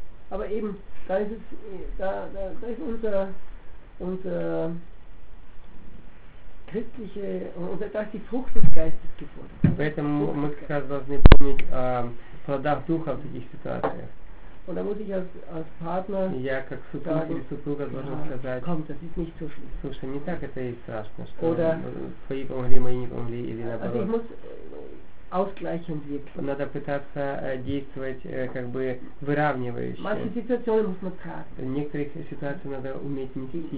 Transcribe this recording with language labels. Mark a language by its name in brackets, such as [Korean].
[German] Aber eben, da ist es, da ist unser christliche, unser, da ist die Frucht des Geistes gefunden. Und da muss ich als Partner sagen, das ist nicht so schlimm. [Russian] Слушай, не так это и страшно, что [German] oder [Russian] твои помогли, мои не помогли, или наоборот. [German] Also ich muss ausgleichend wirken. [Russian] Надо пытаться действовать как бы выравнивающе. [German] Manche Situationen muss man tragen. [Russian] В некоторых ситуациях надо уметь нести.